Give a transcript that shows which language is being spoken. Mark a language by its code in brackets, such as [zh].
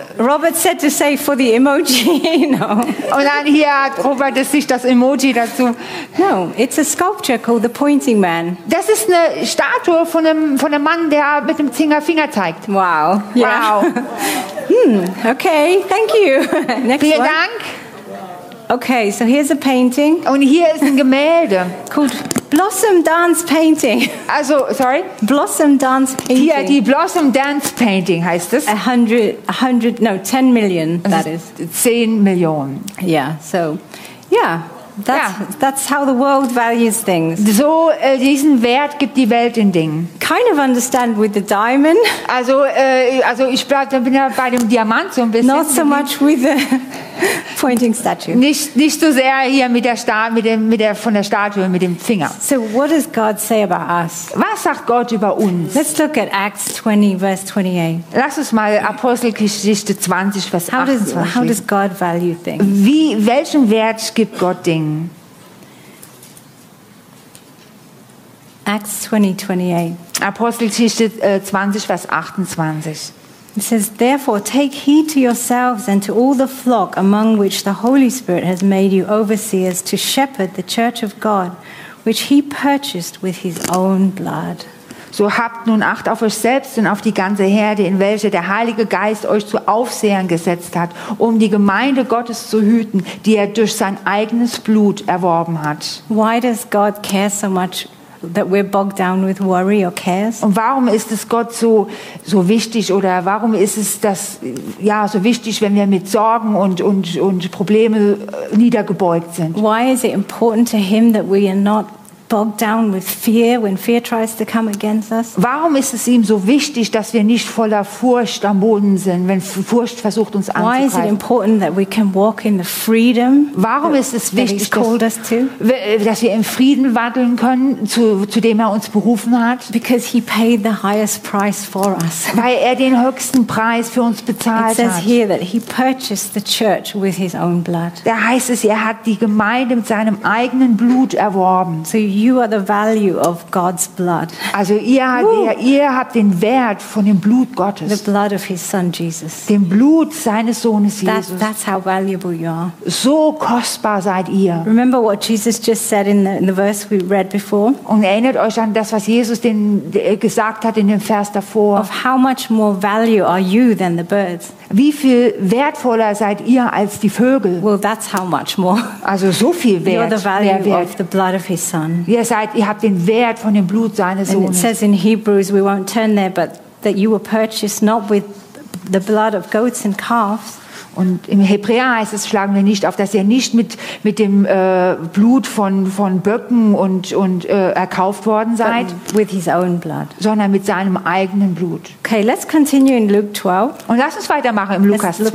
[en] Robert said to say for the emoji, no. [de] Und dann hier hat Robert sich das Emoji dazu. [en] No, it's a sculpture called the Pointing Man. [de] Das ist eine Statue von einem Mann, der mit dem Finger zeigt. [en] Wow. Yeah. Wow. Okay, thank you. Next [de] Vielen [en] one. [de] Dank. [en] Okay, so here's a painting. [de] Und hier ist ein Gemälde. [en] Called Blossom Dance Painting. Also, sorry? Blossom Dance Painting. [de] Hier, die Blossom Dance Painting heißt es. [en] 10 million, that is. [de] 10 Millionen. [en] Yeah, so, yeah. That's, yeah. That's how the world values things. [de] So diesen Wert gibt die Welt in Dingen. [en] Kind of understand with the diamond. [de] Also ich bin ja bei dem Diamant so ein bisschen. [en] Not so much with the pointing statue. [de] Nicht so sehr hier mit der von der Statue mit dem Finger. [en] So what does God say about us? [de] Was sagt Gott über uns? [en] Let's look at Acts 20 verse 28. [de] Lass uns mal Apostelgeschichte 20 vers 28. [en] How does God value things? [de] Welchen Wert gibt Gott Dingen? [en] Acts 20:28. [de] Apostelgeschichte 20, Vers 28. [en] It says, "Therefore, take heed to yourselves and to all the flock among which the Holy Spirit has made you overseers to shepherd the church of God, which He purchased with His own blood." [de] So habt nun Acht auf euch selbst und auf die ganze Herde, in welche der Heilige Geist euch zu Aufsehern gesetzt hat, um die Gemeinde Gottes zu hüten, die er durch sein eigenes Blut erworben hat. [en] Why does God care so much that we're bogged down with worry or cares? [de] Und warum ist es Gott so wichtig, oder warum ist es das ja so wichtig, wenn wir mit Sorgen und Probleme niedergebeugt sind? [en] Why is it important to him that we are not bogged down with fear when fear tries to come against us? [de] Warum ist es ihm so wichtig, dass wir nicht voller Furcht am Boden sind, wenn Furcht versucht uns anzugreifen? [en] Why is it important that we can walk in the freedom? [de] Warum ist es wichtig, dass wir im Frieden wandeln können, zu dem er uns berufen hat? [en] Because he paid the highest price for us. [de] Weil er den höchsten Preis für uns bezahlt hat. [en] It says here that he purchased the church with his own blood. [de] Da heißt es, er hat die Gemeinde mit seinem eigenen Blut erworben. [en] So you are the value of God's blood. [de] Also ihr habt den Wert von dem Blut Gottes. [en] The blood of his son Jesus. [de] Dem Blut seines Sohnes Jesus. [en] That's how valuable you are. [de] So kostbar seid ihr. [en] Remember what Jesus just said in the verse we read before? [de] Und erinnert euch an das, was Jesus gesagt hat in dem Vers davor. [en] Of how much more value are you than the birds? [de] Wie viel wertvoller seid ihr als die Vögel? [en] Well, that's how much more. [de] Also so viel wert. [en] You're the value of the blood of his son. [de] Ihr habt den Wert von dem Blut seines Sohnes. [en] And it says in Hebrews, we won't turn there, but that you were purchased not with the blood of goats and calves. [de] Und im Hebräer heißt es, schlagen wir nicht auf, dass ihr nicht mit dem Blut von Böcken und erkauft worden seid. [en] But with his own blood. [de] Sondern mit seinem eigenen Blut. [en] Okay, let's continue in Luke 12. [de] Und lass uns weitermachen im Lukas 12.